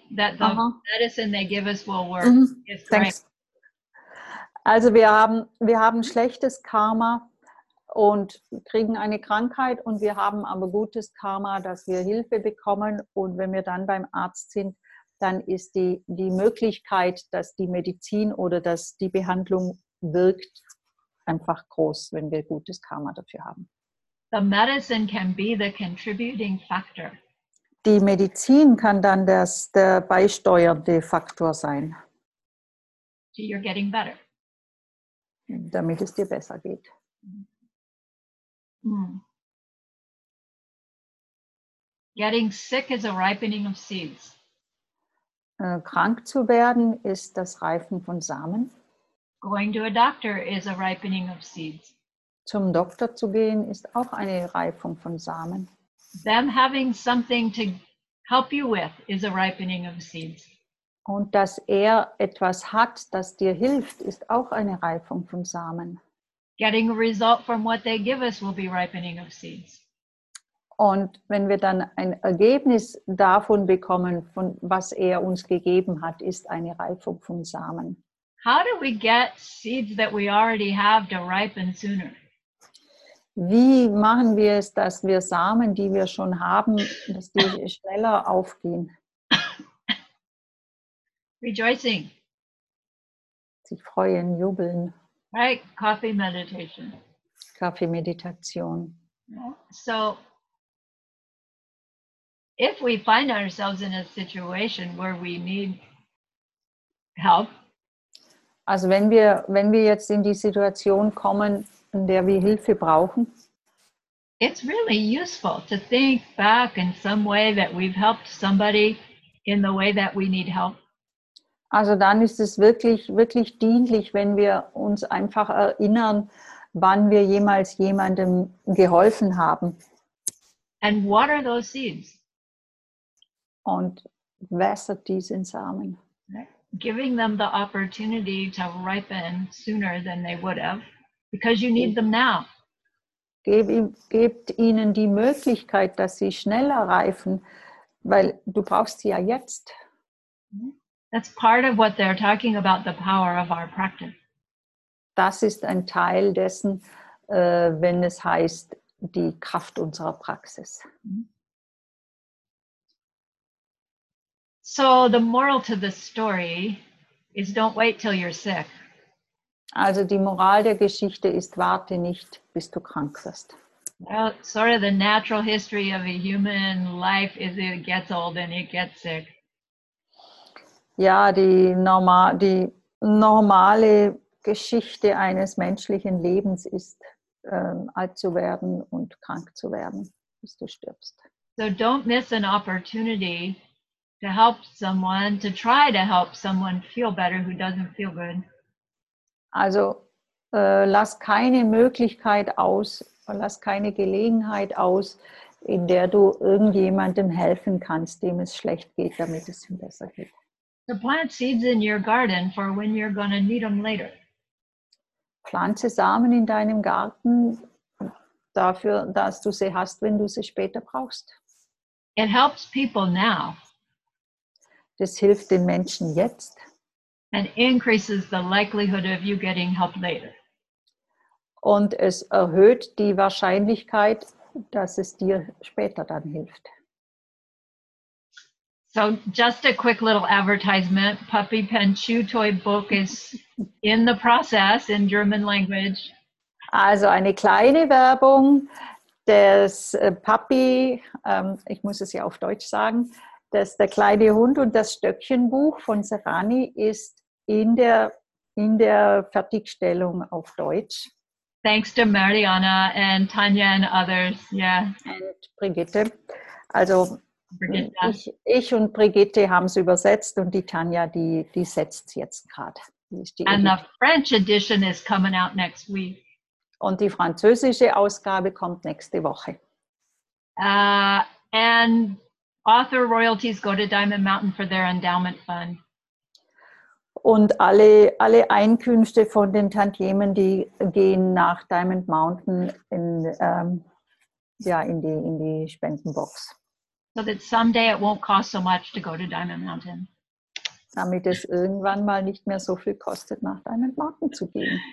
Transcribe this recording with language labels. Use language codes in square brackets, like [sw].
[en] that the medicine they give us will work is great. Thanks. [de] Also wir haben schlechtes Karma und kriegen eine Krankheit und wir haben aber gutes Karma, dass wir Hilfe bekommen und wenn wir dann beim Arzt sind, dann ist die Möglichkeit, dass die Medizin oder dass die Behandlung wirkt, einfach groß, wenn wir gutes Karma dafür haben. [en] The medicine can be the contributing factor. [de] Die Medizin kann dann der beisteuernde Faktor sein. [en] So you're getting better. [de] Damit es dir besser geht. [en] Getting sick is a ripening of seeds. [de] Krank zu werden ist das Reifen von Samen. [en] Going to a doctor is a ripening of seeds. [de] Zum Doktor zu gehen ist auch eine Reifung von Samen. [en] Them having something to help you with is a ripening of seeds. [de] Und dass etwas hat, das dir hilft, ist auch eine Reifung von Samen. [en] Getting a result from what they give us will be ripening of seeds. [de] Und wenn wir dann ein Ergebnis davon bekommen, von was uns gegeben hat, ist eine Reifung von Samen. [en] How do we get seeds that we already have to ripen sooner? [de] Wie machen wir es, dass wir Samen, die wir schon haben, dass die schneller aufgehen? [en] Rejoicing. [de] Sich freuen, jubeln. [en] Right, coffee meditation. [de] Kaffeemeditation. [en] So, if we find ourselves in a situation where we need help. [de] Also wenn wir jetzt in die Situation kommen, in der wir Hilfe brauchen. [en] It's really useful to think back in some way that we've helped somebody in the way that we need help. [de] Also dann ist es wirklich, wirklich dienlich, wenn wir uns einfach erinnern, wann wir jemals jemandem geholfen haben. [en] And what are those seeds? [de] Und was sind diese Samen? [en] Giving them the opportunity to ripen sooner than they would have, because you need them now. [de] Gebt ihnen die Möglichkeit, dass sie schneller reifen, weil du brauchst sie ja jetzt. [en] That's part of what they're talking about, the power of our practice. [de] Das ist ein Teil dessen, wenn es heißt, die Kraft unserer Praxis. [en] So the moral to the story is don't wait till you're sick. [de] Also die Moral der Geschichte ist, warte nicht, bis du krank wirst. [en] Well, sort of the natural history of a human life is it gets old and it gets sick. [de] Ja, die normale Geschichte eines menschlichen Lebens ist, alt zu werden und krank zu werden, bis du stirbst. [en] So don't miss an opportunity to help someone, to try to help someone feel better who doesn't feel good. [de] Also lass keine Möglichkeit aus, lass keine Gelegenheit aus, in der du irgendjemandem helfen kannst, dem es schlecht geht, damit es ihm besser geht. [en] So plant seeds in your garden for when you're going to need them later. [de] Pflanze Samen in deinem Garten dafür, dass du sie hast, wenn du sie später brauchst. [en] It helps people now. [de] Das hilft den Menschen jetzt. [en] And increases the likelihood of you getting help later. [de] Und es erhöht die Wahrscheinlichkeit, dass es dir später dann hilft. [en] So just a quick little advertisement. Puppy Pen Chew Toy Book is in the process in German language. [de] Also eine kleine Werbung des Puppy, ich muss es ja auf Deutsch sagen, dass der kleine Hund und das Stöckchenbuch von Serrani ist in der Fertigstellung auf Deutsch. [en] Thanks to Mariana and Tanya and others, yeah. And Brigitte. Also Brigitte. [de] Ich und Brigitte haben es übersetzt und die Tanja, die setzt es jetzt gerade. [en] And the French edition is coming out next week. [de] Und die französische Ausgabe kommt nächste Woche. [en] And author royalties go to Diamond Mountain for their endowment fund. [de] Und alle Einkünfte von den Tantiemen, die gehen nach Diamond Mountain in die Spendenbox. [en] So that someday it won't cost so much to go to Diamond Mountain. [de] Damit es irgendwann mal nicht mehr so viel kostet, nach Diamond Mountain zu gehen.